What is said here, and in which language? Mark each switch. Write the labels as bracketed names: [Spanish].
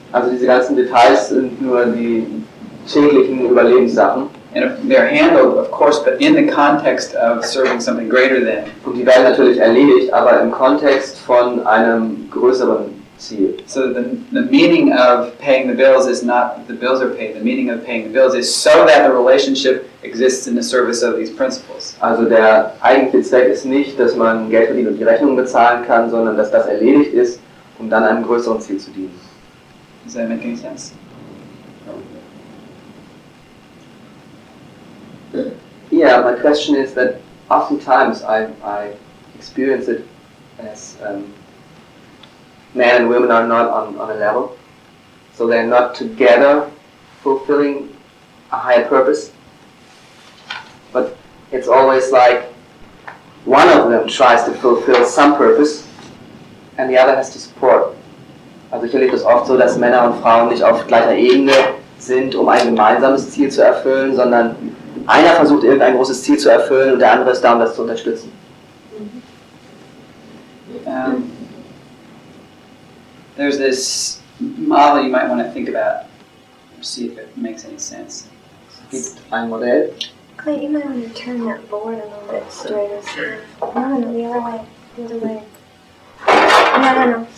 [German] also diese ganzen Details sind nur die täglichen Überlebenssachen. [English] And they're handled, of course, but in the context of serving something greater than. [German] Und die werden natürlich erledigt, aber im Kontext von einem größeren Ziel. [English] So the meaning of paying the bills is not that the bills are paid. The meaning of paying the bills is so that the relationship exists in the service of these principles. [German] Also der eigentliche Zweck ist nicht, dass man Geld verdient und die Rechnung bezahlen kann, sondern dass das erledigt ist, um dann einem größeren Ziel zu dienen. [English] Does that make any sense? Yeah, my question is that oftentimes I experience it as men and women are not on a level, so they're not together fulfilling a higher purpose, but it's always like one of them tries to fulfill some purpose and the other has to support. [German] Also ich erlebe das oft so, dass Männer und Frauen nicht auf gleicher Ebene sind, um ein gemeinsames Ziel zu erfüllen, sondern einer versucht irgendein großes Ziel zu erfüllen und der andere ist da, um das zu unterstützen. [English] There's this model you might want to think about. Let's see if it makes any sense. [German] Es gibt ein Modell. [English] Clay, you might want to turn that board a little bit straighter. No, the other way. No.